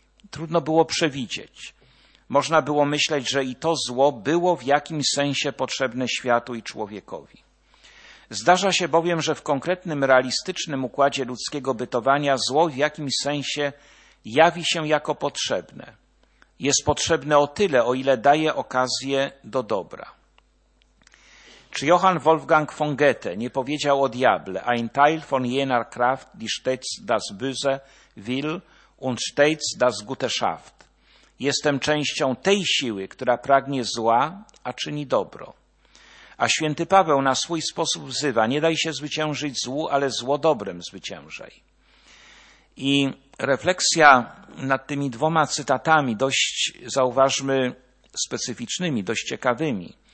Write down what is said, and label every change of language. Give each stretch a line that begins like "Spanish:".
Polish: Trudno było przewidzieć. Można było myśleć, że i to zło było w jakimś sensie potrzebne światu i człowiekowi. Zdarza się bowiem, że w konkretnym, realistycznym układzie ludzkiego bytowania zło w jakimś sensie jawi się jako potrzebne. Jest potrzebne o tyle, o ile daje okazję do dobra. Czy Johann Wolfgang von Goethe nie powiedział o diable:
German: ein Teil von jener Kraft, die stets das Böse will und stets das Gute schafft.
Polish: Jestem częścią tej siły, która pragnie zła, a czyni dobro. A święty Paweł na swój sposób wzywa: nie daj się zwyciężyć złu, ale zło dobrem zwyciężaj. I refleksja nad tymi dwoma cytatami, dość zauważmy specyficznymi, dość ciekawymi.